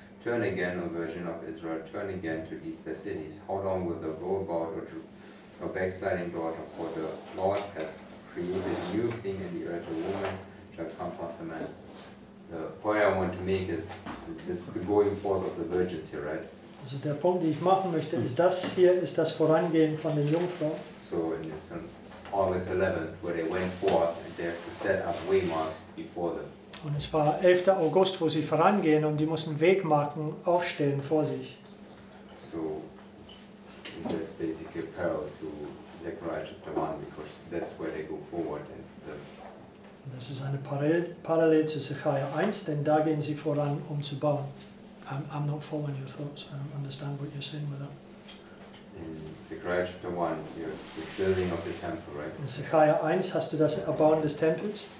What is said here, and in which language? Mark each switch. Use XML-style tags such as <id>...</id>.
<en>Turn again, O virgin of Israel, turn again to these thy cities. How long will thou go about, O backsliding daughter? For the Lord hath created a new thing in the earth, a woman shall come from a man. The point I want to make is, it's the going forth of the virgins here, right?</en> <de>Also der Punkt, den ich machen möchte, ist das hier, ist das Vorangehen von den Jungfrauen.</de> <en>So in this August 11th, where they went forth and they have to set up waymarks before them.</en> <de>Und es war 11. August, wo sie vorangehen und die mussten Wegmarken aufstellen vor sich.</de> <en>So, that's basically a parallel to Zechariah chapter 1, because that's where they go forward. And the</en> <de>das ist eine Parallel zu Zechariah 1, denn da gehen sie voran, um zu bauen.</de> <en>I'm not following your thoughts. I don't understand what you're saying with that. In Zechariah chapter 1, the building of the temple, right?</en> <de>In Zechariah 1, hast du das Erbauen des Tempels?</de>